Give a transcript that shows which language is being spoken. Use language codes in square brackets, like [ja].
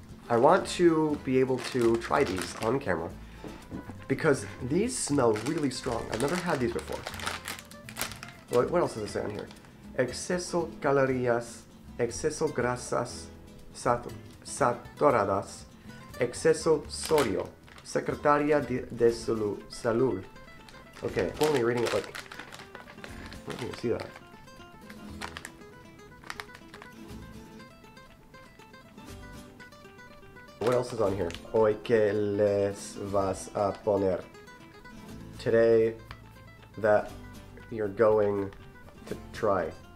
[en] I want to be able to try these on camera because these smell really strong. I've never had these before. What else does it say on here? [es] Exceso calorías, exceso grasas saturadas, exceso sodio, secretaria de salud. [en] Okay, I'm only reading it like, I don't even see that. What else is on here? [es] Hoy que les vas a poner. [en] Today that you're going to try.